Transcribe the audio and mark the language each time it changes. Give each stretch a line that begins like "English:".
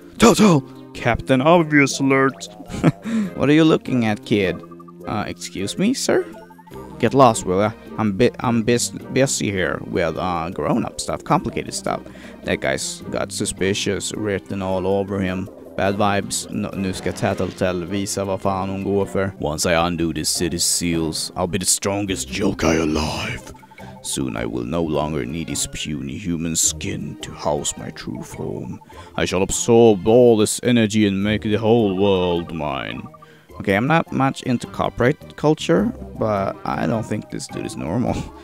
English: Tattletale! Captain Obvious Alert! What are you looking at, kid? Excuse me, sir? Get lost, will ya? I'm busy here with grown-up stuff, complicated stuff. That guy's got suspicious written all over him. Bad vibes.
Swedish: Nu ska Tattletale visa vad fan hon går för.
English: Once I undo this city's seals, I'll be the strongest yo-kaj alive. Soon I will no longer need his puny human skin to house my true form. I shall absorb all this energy and make the whole world mine. Okay, I'm not much into corporate culture, but I don't think this dude is normal.